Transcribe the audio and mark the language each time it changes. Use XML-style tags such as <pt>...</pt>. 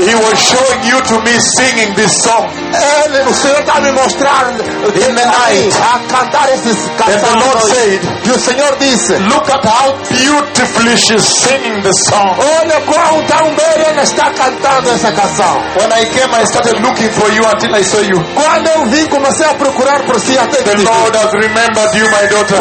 <en>He was showing you to me singing this song.</en> <pt>Ele, o Senhor está me mostrar</pt> <en>in the night</en> <pt>a cantar esses cantos.</pt> <en>And the Lord said,</en> <pt>e o Senhor disse,</pt> <en>look at how beautifully she's singing the song.</en> <pt>Olha quão tão bem ela está cantando essa canção.</pt> <en>When I came, I started looking for you until I saw you.</en> <pt>Quando eu vim, comecei a procurar por si até</pt> <en>que the Lord has remembered you, my daughter.</en>